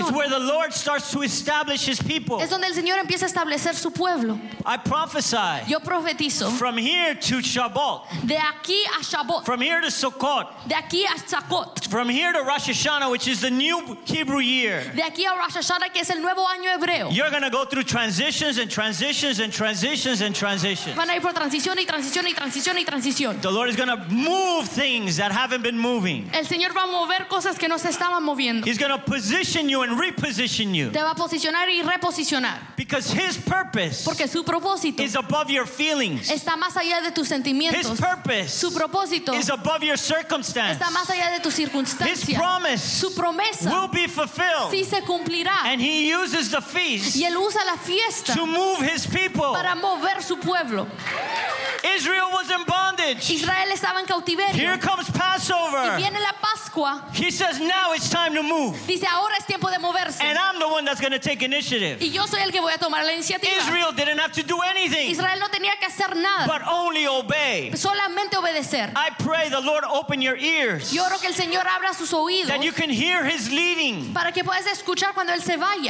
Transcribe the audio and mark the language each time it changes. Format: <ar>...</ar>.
<en>It's where the Lord starts to establish his people.</en> <es>Es donde el Señor empieza a establecer su pueblo.</es> <en>I prophesy.</en> <es>Yo profetizo.</es> <en>From here to Shabbat.</en> <es>De aquí a Shabbat.</es> <en>From here to Sukkot.</en> <es>De aquí a Sukkot.</es> <en>From here to Rosh Hashanah, which is the new Hebrew year.</en> <es>De aquí a Rosh Hashanah, que es el nuevo año hebreo.</es> <en>You're going to go through transitions and transitions and transitions and transitions.</en> <es>Van a ir por transición y transición y transición y transición.</es> <en>The Lord is going to move things that haven't been moving.</en> <es>El Señor va a mover cosas que no se estaban moviendo.</es> <en>He's going to position you and reposition you.</en> <es>Te va a posicionar y reposicionar.</es> <en>Because his purpose,</en> <es>porque su propósito,</es> <en>is above your feelings.</en> <es>Está más allá de tus sentimientos.</es> <en>His purpose,</en> <es>su propósito,</es> <en>is above your circumstance.</en> <es>Está más allá de tus circunstancias.</es> <en>His promise,</en> <es>su promesa,</es> <en>will be fulfilled.</en> <es>Sí, se cumplirá.</es> <en>And he uses the feast</en> <es>y él usa la fiesta</es> <en>to move his people.</en> <es>Para mover su pueblo.</es> <en>Israel was in bondage.</en> <es>Israel estaba en cautiverio.</es> <en>Here comes Passover.</en> <es>Y viene la Pascua.</es> <en>He says, now it's time to move.</en> <es>Dice, ahora es tiempo de moverse.</es> <en>And I'm the one that's going to take initiative.</en> <es>Y yo soy el que voy a tomar la iniciativa.</es> <en>Israel didn't have to do anything.</en> <es>Israel no tenía que hacer nada.</es> <en>But only obey.</en> <es>Solamente obedecer.</es> <en>I pray the Lord open your ears.</en> <es>Yo oro que el Señor abra sus oídos.</es> <en>That you can hear his leading.</en> <es>Para que puedas escuchar cuando él se vaya.</es>